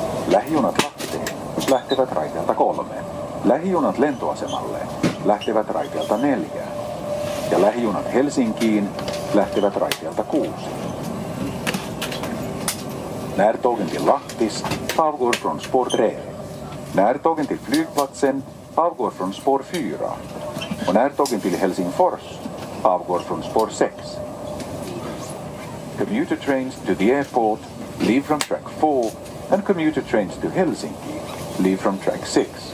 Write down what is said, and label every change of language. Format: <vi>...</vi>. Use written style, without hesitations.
<fi>Lähijunat Lahteen lähtevät raiteelta 3. Lähijunat lentoasemalle lähtevät raiteelta 4. Ja lähijunat Helsinkiin lähtevät raiteelta 6.</fi> <sv>När tågen till Lahtis avgår från spår 3. När tågen till flygplatsen avgår från spår 4. Och när tågen till Helsingfors avgår från spår 6.</sv> <en>Commuter trains to the airport leave from track 4 and commuter trains to Helsinki leave from track 6.</en>